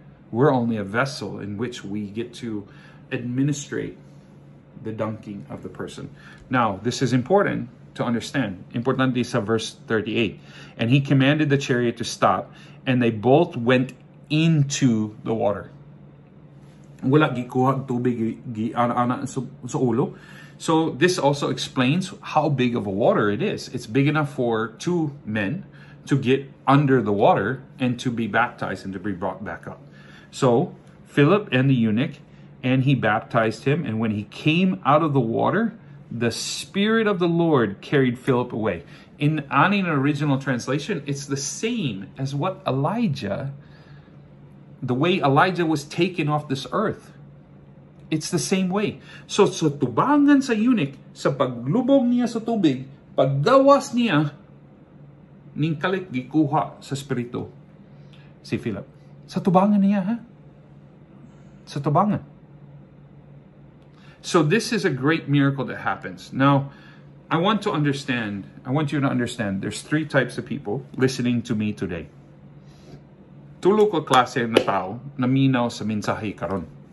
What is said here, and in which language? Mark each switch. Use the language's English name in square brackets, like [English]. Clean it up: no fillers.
[English] We're only a vessel in which we get to administrate the dunking of the person. Now, this is important to understand. [Cebuano] Importante sa verse 38. [English] And he commanded the chariot to stop, and they both went into the water. [Cebuano] Wala gikuha tubig gi ana sa ulo. [English] So this also explains how big of a water it is. It's big enough for two men to get under the water and to be baptized and to be brought back up. So Philip and the eunuch, and he baptized him. And when he came out of the water, the Spirit of the Lord carried Philip away. In an original translation, it's the same as what Elijah, the way Elijah was taken off this earth. It's the same way. [Cebuano] So sa tubangan sa eunuch, sa paglubog niya sa tubig, paggawas niya, ninkalik gikuha sa Espiritu si Philip. Sa tubangan niya, ha? Sa tubangan. [English] So this is a great miracle that happens. Now, I want you to understand, there's three types of people listening to me today. [Cebuano] Tulo ko klase na tao na minaw sa mensahe karon.